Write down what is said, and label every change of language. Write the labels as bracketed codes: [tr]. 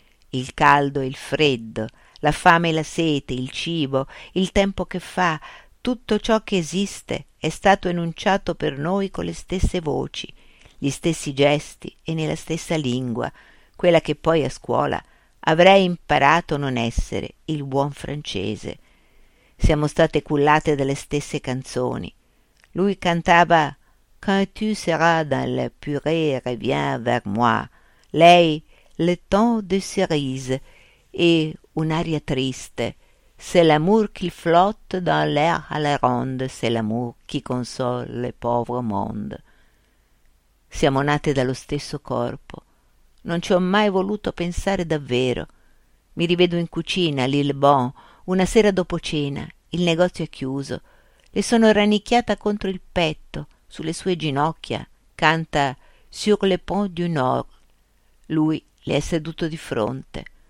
[it] Il caldo e il freddo, la fame e la sete, il cibo, il tempo che fa, tutto ciò che esiste è stato enunciato per noi con le stesse voci, gli stessi gesti e nella stessa lingua, quella che poi a scuola avrei imparato non essere il buon francese. Siamo state cullate dalle stesse canzoni. Lui cantava [fr] «Quand tu seras dans la purée, reviens vers moi». [it] Lei [fr] «Le temps de cerise» [it] e un'aria triste. [fr] «C'est l'amour qui flotte dans l'air à la ronde, c'est l'amour qui console le pauvre monde». [it] Siamo nate dallo stesso corpo. Non ci ho mai voluto pensare davvero. Mi rivedo in cucina, a Lillebon, una sera dopo cena. Il negozio è chiuso. Le sono rannicchiata contro il petto, sulle sue ginocchia. Canta [fr] «Sur le pont du Nord». [it] Lui le è seduto di fronte.